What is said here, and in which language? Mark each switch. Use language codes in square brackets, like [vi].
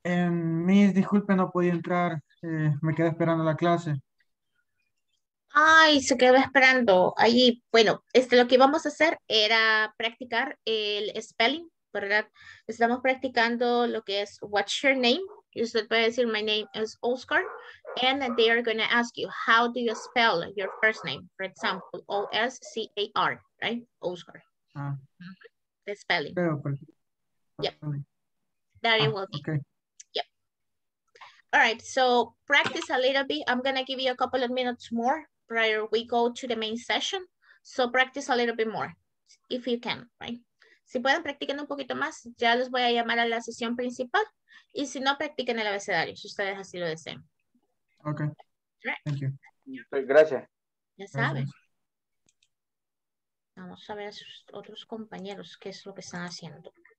[es] Mis, disculpe, no podía entrar. Me quedé esperando la clase. Ay, se quedó esperando. Ahí, bueno, lo que íbamos a hacer era practicar el spelling, ¿verdad? Estamos practicando lo que es [en] what's your name. [es] Y usted puede decir, [en] my name is Oscar. And they are going to ask you, how do you spell your first name? For example, O-S-C-A-R, right? Oscar. Ah. The spelling. [es] Pero, [en] yep. That it will be. Okay. All right, so practice a little bit. I'm going to give you a couple of minutes more prior we go to the main session. So practice a little bit more, if you can, right? [es] Si pueden, practiquen un poquito más. Ya los voy a llamar a la sesión principal. Y si no, practiquen el abecedario, si ustedes así lo deseen. [en] Okay. Thank you. [es] Gracias. Ya saben. Vamos a ver a sus otros compañeros qué es lo que están haciendo.